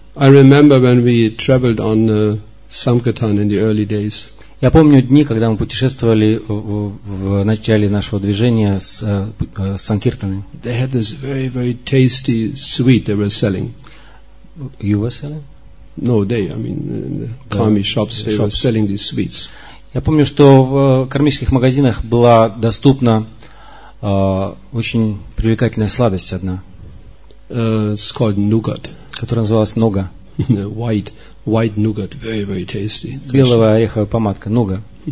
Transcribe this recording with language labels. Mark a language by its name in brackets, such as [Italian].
[English] I remember when we traveled on Sankirtan in the early days. [Russian] Я помню дни, когда мы путешествовали в начале нашего движения с Санкиртаной. [English] They had this very, very tasty sweet they were selling. You were selling? No, they. I mean, in the Kami shops, they were selling these sweets. [Russian] Я помню, что в кармических магазинах была доступна очень привлекательная сладость одна. [English] It's called nougat. [Russian] Которая называлась нуга. [English] White. White nougat, very, very tasty. [Russian] Белого ореховая помадка, нуга.